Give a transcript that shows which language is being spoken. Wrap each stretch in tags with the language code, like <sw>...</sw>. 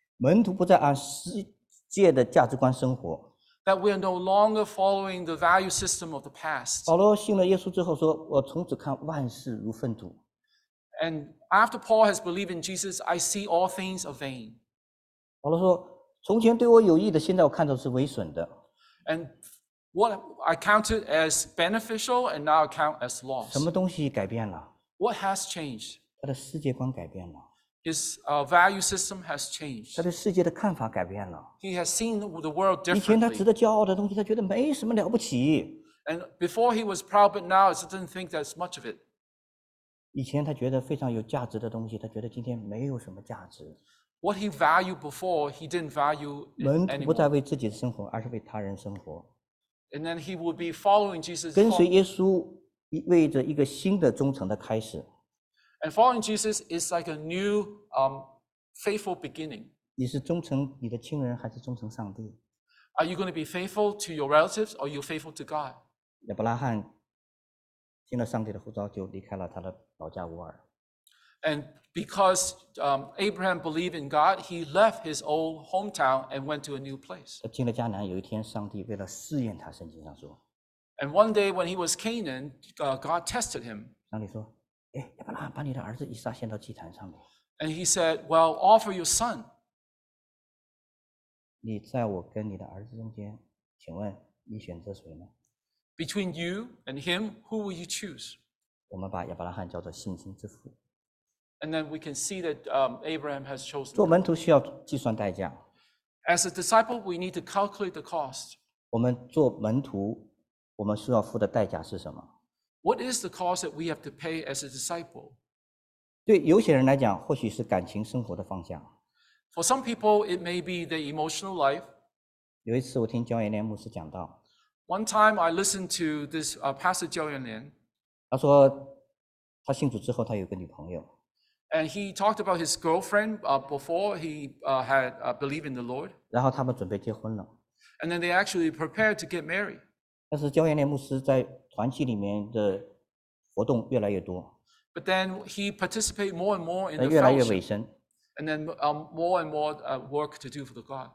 <zh>门徒不再按世界的价值观生活。</zh> <en>That we are no longer following the value system of the past.</en> <zh>保罗信了耶稣之后说，我从此看万事如粪土。</zh> <en>And after Paul has believed in Jesus, I see all things are vain.</en> <zh>保罗说，从前对我有益的，现在我看到是为损的。</zh> <en>And what I counted as beneficial, and now count as loss.</en> <zh>什么东西改变了？</zh> <en>What has changed?</en> <zh>他的世界观改变了。</zh> <en>His value system has changed.</en> <zh>他对世界的看法改变了。</zh> <en>He has seen the world differently.</en> <zh>以前他值得骄傲的东西，他觉得没什么了不起。</zh> <en>And before he was proud, but now he doesn't think that's much of it.</en> <zh>以前他觉得非常有价值的东西，他觉得今天没有什么价值。</zh> <en>What he valued before, he didn't value anymore.</en> <zh>门徒不再为自己的生活，而是为他人生活。</zh> <en>And then he would be following Jesus.</en> <zh>跟随耶稣意味着一个新的忠诚的开始。</zh> <en>And following Jesus is like a new, faithful beginning.</en> <zh>你是忠诚你的亲人，还是忠诚上帝？</zh> <en>Are you going to be faithful to your relatives, or are you faithful to God?</en> <zh>亚伯拉罕听了上帝的呼召，就离开了他的老家乌尔。</zh> <en>And because Abraham believed in God, he left his old hometown and went to a new place.</en> <zh>他进了迦南，有一天上帝为了试验他，圣经上说。</zh> <en>And one day when he was Canaan, God tested him.</en> <zh>上帝说，亚伯拉罕，把你的儿子以撒献到祭坛上面。</zh> <en>And he said, well, offer your son.</en> <zh>你在我跟你的儿子中间，请问你选择谁呢？</zh> <en>Between you and him, who will you choose?</en> <zh>我们把亚伯拉罕叫做信心之父。</zh> <en>And then we can see that Abraham has chosen.</en> <zh>做门徒需要计算代价。</zh> <en>As a disciple, we need to calculate the cost.</en> <zh>我们做门徒，我们需要付的代价是什么？</zh> <en>What is the cost that we have to pay as a disciple?</en> <zh>对有些人来讲，或许是感情生活的方向。</zh> <en>For some people, it may be the emotional life.</en> <zh>有一次我听焦延廉牧师讲到。</zh> <en>One time I listened to this pastor 焦延廉。</en> <zh>他说他信主之后，他有个女朋友。</zh> <en>And he talked about his girlfriend before he had believed in the Lord.</en> <zh>然后他们准备结婚了。</zh> <en>And then they actually prepared to get married.</en> <zh>但是焦延廉牧师在团契里面的活动越来越多。</zh> <en>But then he participated more and more in the</en> <zh>fellowship. 越来越委身。</zh> <en>And then more and more work to do for the God.</en>